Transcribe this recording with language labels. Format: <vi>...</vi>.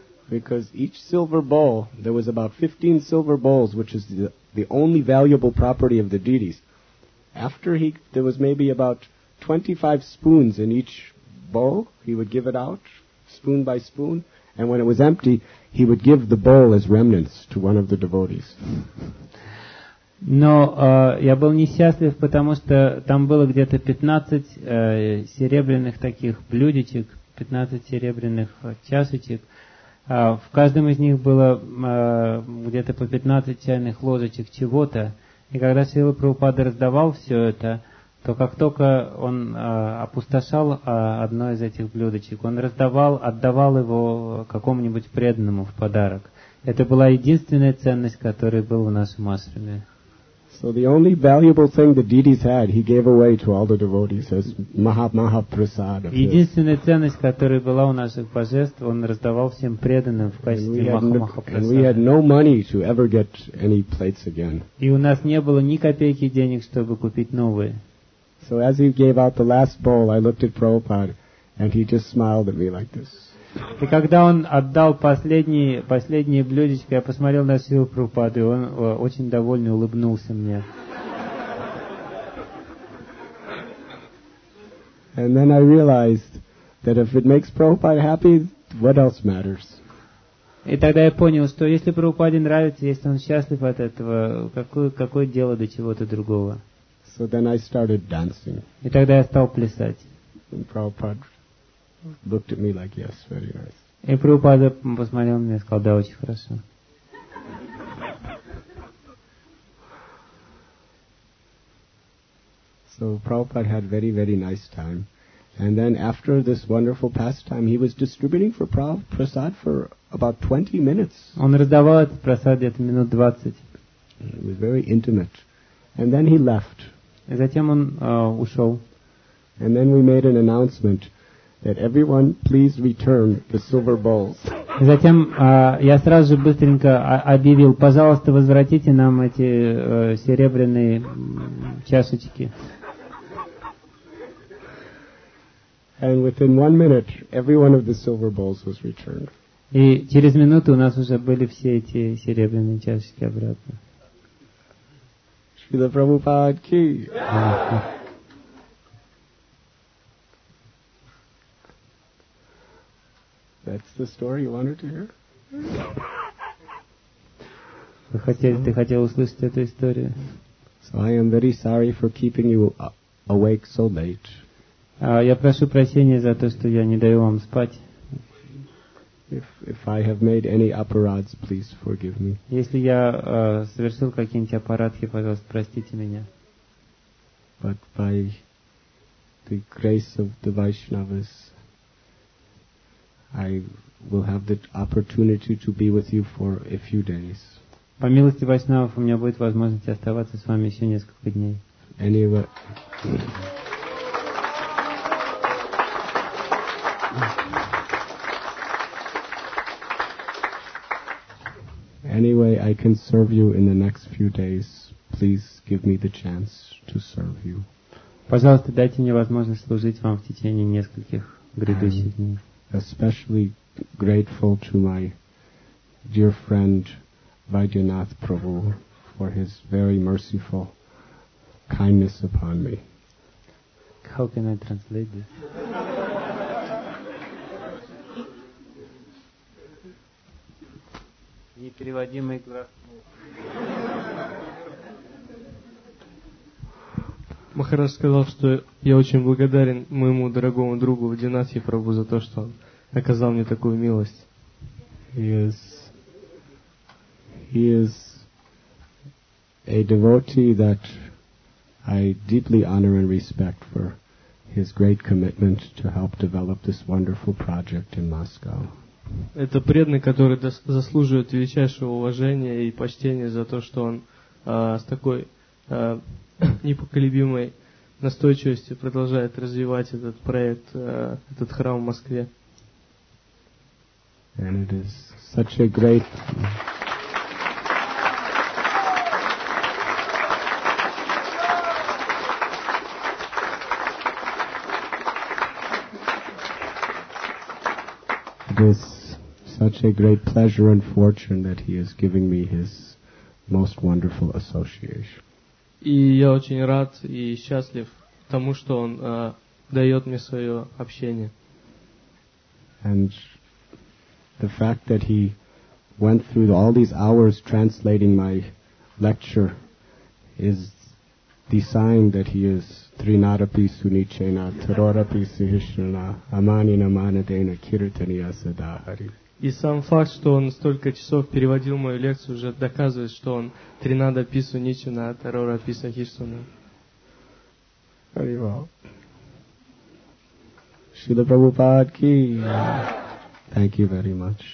<en>Because each silver bowl, there was about 15 silver bowls, which is the only valuable property of the deities. There was maybe about 25 spoons in each bowl. He would give it out, spoon by spoon. And when it was empty, he would give the bowl as remnants to one of the devotees.</en> <ru>Но я был несчастлив, потому что там было где-то 15 серебряных таких блюдечек, 15 серебряных чашечек. В каждом из них было где-то по 15 чайных ложечек чего-то. И когда Шрила Прабхупада раздавал все это, то как только он опустошал одно из этих блюдочек, он раздавал, отдавал его какому-нибудь преданному в подарок. Это была единственная ценность, которая была в нашем ашраме.</ru> <en>So the only valuable thing the deities had, he gave away to all the devotees as Mahaprasad.</en> <ru>Единственная ценность, которая была у наших божеств, он раздавал всем преданным в качестве Mahaprasad.</ru> <en>And we had no money to ever get any plates again.</en> <ru>И у нас не было ни копейки денег, чтобы купить новые.</ru> <en>So as he gave out the last bowl, I looked at Prabhupada, and he just smiled at me like this.</en> <ru>И когда он отдал последнее блюдечко, я посмотрел на Шрилу Прабхупаду, и он очень довольный улыбнулся мне.</ru> <en>And then I realized that if it makes Prabhupada happy, what else matters?</en> <ru>И тогда я понял, что если Прабхупаде нравится, если он счастлив от этого, какое дело до чего-то другого?</ru> <en>So then I started dancing.</en> <ru>И тогда я стал плясать.</ru> <en>And Prabhupada looked at me like, yes, very nice.</en> <ru>И Прабхупада посмотрел на меня и сказал, да, очень хорошо.</ru> <en>So Prabhupada had very, very nice time. And then after this wonderful pastime, he was distributing for prasad for about 20 minutes.</en> <ru>Он раздавал этот прасад где-то минут 20.</ru> <en>It was very intimate. And then he left.</en> <ru>И затем он ушел.</ru> <en>And then we made an announcement that everyone please return the silver bowls.</en> <ru>И затем я сразу же быстренько объявил, пожалуйста, возвратите нам эти серебряные чашечки.</ru> <en>And within 1 minute, every one of the silver bowls was returned.</en> <ru>И через минуту у нас уже были все эти серебряные чашечки обратно. Шрила Прабхупад ки!</ru> <en>That's the story you wanted to hear?</en> <ru>Ты хотел услышать эту историю?</ru> <en>So I am very sorry for keeping you awake so late.</en> <ru>Я прошу прощения за то, что я не даю вам спать.</ru> <en>If I have made any aparads, please forgive me.</en> <ru>Если я совершил какие-нибудь аппаратхи, пожалуйста, простите меня.</ru> <en>But by the grace of the Vaishnavas, I will have the opportunity to be with you for a few days.</en> <ru>По милости Вайшнавов у меня будет возможность оставаться с вами еще несколько дней.</ru> <en>Anyway, I can serve you in the next few days. Please give me the chance to serve you.</en> <ru>Пожалуйста, дайте мне возможность служить вам в течение нескольких грядущих дней.</ru> <en>Especially grateful to my dear friend Vaidyanath Prabhu for his very merciful kindness upon me. How can I translate this?</en> <ru>Непереводимый глаз. Махарадж сказал, что я очень благодарен моему дорогому другу Динати Прабу за то, что он оказал мне такую милость.</ru> <en>He is a devotee that I deeply honor and respect for his great commitment to help develop this wonderful project in Moscow.</en> <ru>Это преданный, который заслуживает величайшего уважения и почтения за то, что он с такой непоколебимой настойчивости продолжает развивать этот проект, этот храм в Москве.</ru> <en>And it is such a great... It is such a great pleasure and fortune that he is giving me his most wonderful association.</en> <ru>И я очень рад и счастлив тому, что он дает мне свое общение.</ru> <en>And the fact that he went through all these hours translating my lecture is the sign that he is</en> <sa>Trinarapi Sunichena, Tarorapi Sihishnana, Amanina Manadena, Kirtaniya Sadahari.</sa> <ru>И сам факт, что он столько часов переводил мою лекцию, уже доказывает, что он</ru> <sa>Тринадапи Суничина, Тарорапи Сахишнана.</sa> <en>Very well. Шрила Прабхупад ки. Thank you very much.</en>